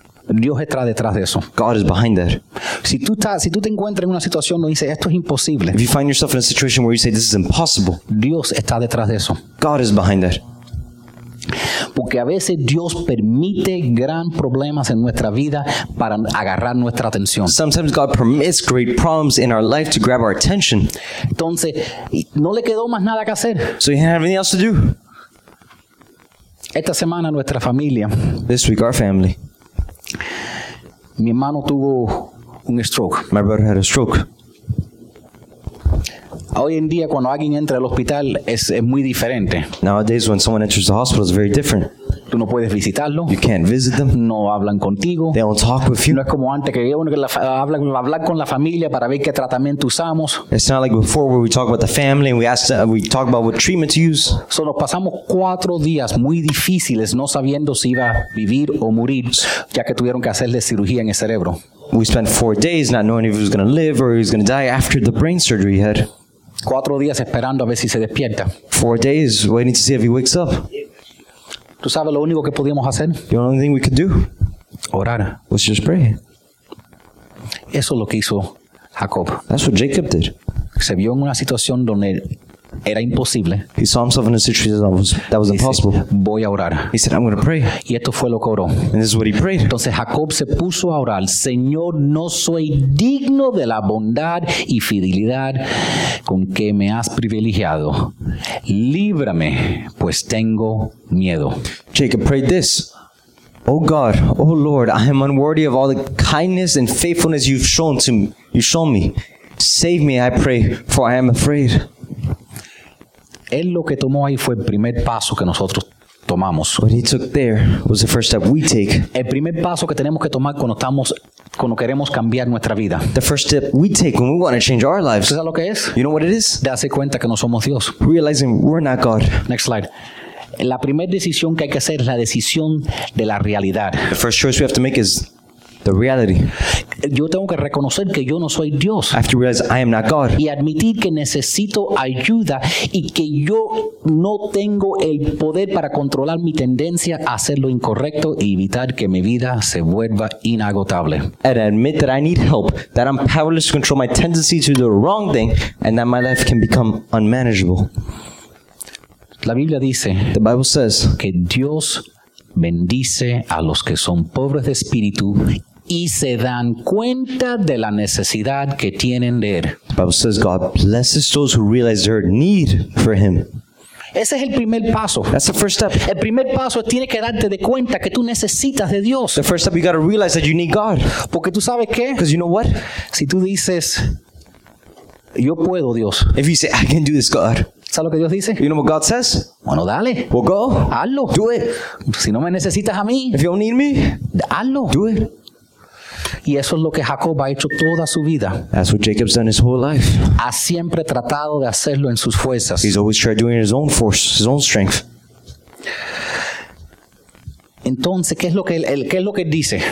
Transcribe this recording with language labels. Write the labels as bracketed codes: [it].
[es] Dios está detrás de eso. [en] God is behind that. [es] Si tú te encuentras en una situación donde dices esto es imposible, [en] if you find yourself in a situation where you say this is impossible, [es] Dios está detrás de eso. [en] God is behind that. [es] porque a veces Dios permite gran problemas en nuestra vida para agarrar nuestra atención. [en] Sometimes God permits great problems in our life to grab our attention. [es] Entonces, no le quedó más nada que hacer. [en] So he didn't have anything else to do. [es] Esta semana nuestra familia. [en] This week our family. [es] Mi hermano tuvo un stroke. [en] My brother had a stroke. [es] Hoy en día cuando alguien entra al hospital es muy diferente. [en] Nowadays when someone enters the hospital it's very different. [es] Tú no puedes visitarlo. [en] You can't visit them. [es] No hablan contigo. [en] They don't talk with you. [es] No es como antes que uno que hablar con la familia para ver qué tratamiento usamos. [en] It's not like before where we talk about the family and we talk about what treatment to use. [es] Solo pasamos 4 días muy difíciles no sabiendo si iba a vivir o morir ya que tuvieron que hacerle cirugía en el cerebro. [en] We spent 4 days not knowing if he was going to live or he was going to die after the brain surgery he had. [es] 4 días esperando a ver si se despierta. [en] 4 days waiting to see if he wakes up. [es] ¿Tú sabes lo único que podíamos hacer? [en] The only thing we could do. [es] Orar. [en] Was just pray. [es] Eso es lo que hizo Jacob. [en] That's what Jacob did. [es] Se vio en una situación donde era imposible. [en] He saw himself in a situation that was impossible. [es] Dice, voy a orar. [en] He said, I'm going to pray. [es] Y esto fue lo que oró. [en] And this is what he prayed. [es] Entonces Jacob se puso a orar. Señor, no soy digno de la bondad y fidelidad con que me has privilegiado. Líbrame, pues tengo miedo. [en] Jacob prayed this. Oh God, oh Lord, I am unworthy of all the kindness and faithfulness you've shown me. Save me, I pray, for I am afraid. [es] Él lo que tomó ahí fue el primer paso que nosotros tomamos. [en] What he took there was the first step we take. [es] El primer paso que tenemos que tomar cuando queremos cambiar nuestra vida. [en] The first step we take when we want to change our lives. [es] ¿Sabes lo que es? [en] You know what it is? [es] Darse cuenta que no somos Dios. [en] Realizing we're not God. Next slide. [es] La primera decisión que hay que hacer es la decisión de la realidad. [en] The first choice we have to make is the reality. [es] Yo tengo que reconocer que yo no soy Dios. [en] I have to realize I am not God. [es] Y admitir que necesito ayuda y que yo no tengo el poder para controlar mi tendencia a hacer lo incorrecto y evitar que mi vida se vuelva inagotable. [en] And admit that I need help, that I'm powerless to control my tendency to do the wrong thing, and that my life can become unmanageable. [es] La Biblia dice, [en] the Bible says, [es] que Dios bendice a los que son pobres de espíritu y se dan cuenta de la necesidad que tienen de él. [en] The Bible says God blesses those who realize their need for him. [es] Ese es el primer paso. [en] That's the first step. [es] El primer paso es tienes que darte de cuenta que tú necesitas de Dios. [en] The first step you got to realize that you need God. [es] Porque tú sabes qué. [en] Because you know what? [es] Si tú dices, yo puedo, Dios. [en] If you say, I can do this, God. [es] ¿Sabes lo que Dios dice? [en] You know what God says? [es] Bueno, dale. [en] Well, go. [es] Hazlo. [en] Do it. [es] Si no me necesitas a mí. [en] If you don't need me. [es] Hazlo. [en] Do it. [es] Y eso es lo que Jacob ha hecho toda su vida. [en] That's what Jacob's done his whole life. [es] Ha siempre tratado de hacerlo en sus fuerzas. [en] He's always tried doing his own force, his own strength. [es] Entonces, ¿qué es lo que él dice?